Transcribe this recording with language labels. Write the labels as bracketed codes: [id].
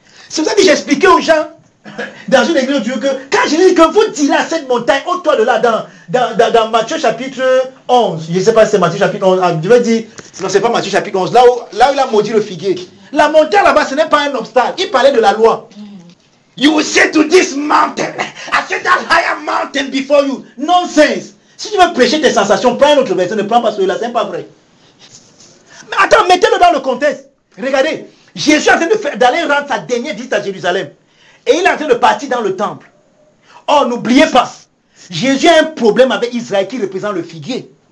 [fr] C'est pour ça que j'expliquais aux gens dans une église de Dieu que quand je dis que vous direz à cette montagne, au toit de là, dans Matthieu chapitre 11, je ne sais pas si c'est Matthieu chapitre 11, je vais dire, non, c'est pas Matthieu chapitre 11, là où il a maudit le figuier. La montagne là-bas, ce n'est pas un obstacle. Il parlait de la loi. [en] You will say to this mountain, I said that higher mountain before you. Nonsense. [fr] Si tu veux prêcher tes sensations, prends un autre verset, ne prends pas celui-là, ce n'est pas vrai. Mais attends, mettez-le dans le contexte. Regardez. Jésus est en train d'aller rendre sa dernière visite à Jérusalem. Et il est en train de partir dans le temple. Oh, n'oubliez pas, Jésus a un problème avec Israël qui représente le figuier.